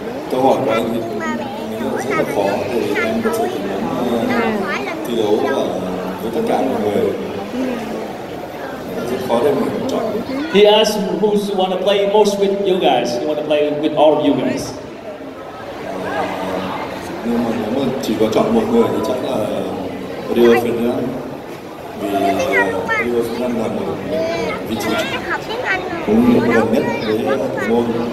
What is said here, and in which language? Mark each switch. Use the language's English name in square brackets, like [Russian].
[Vietnamese] Câu hỏi của anh rất là khó, thì em có thể thi đấu với tất cả mọi người. Rất khó để mình chọn. [English] He asked who want to play most with you guys. You want to play with all of you guys. [Vietnamese] Nhưng mà nếu mà chỉ có chọn một người thì chắc là Rio Ferdinand. Vì Rio Ferdinand là một vị trí cũng gần nhất với thủ môn.